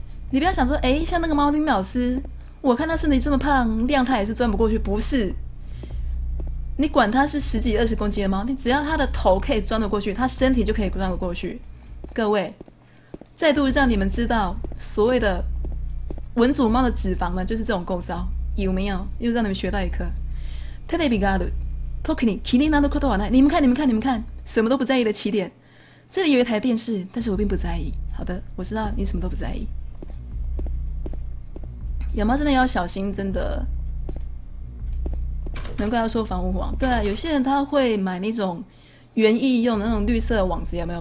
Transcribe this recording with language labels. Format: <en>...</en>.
<zh>你不要想说，哎，像那个猫咪老师，我看他身体这么胖，量他也是钻不过去，不是。你管它是十几二十公斤的猫，你只要它的头可以钻得过去，它身体就可以钻得过去。各位，再度让你们知道所谓的文祖猫的脂肪呢，就是这种构造，有没有？又让你们学到一课。</zh> <ja>テレビがある、特に気になることはない。</ja> <zh>你们看，你们看，你们看，什么都不在意的起点。这里有一台电视，但是我并不在意。好的，我知道你什么都不在意。养猫真的要小心，真的。难怪要说防护网。对啊，有些人他会买那种园艺用的那种绿色的网子，有没有？</zh>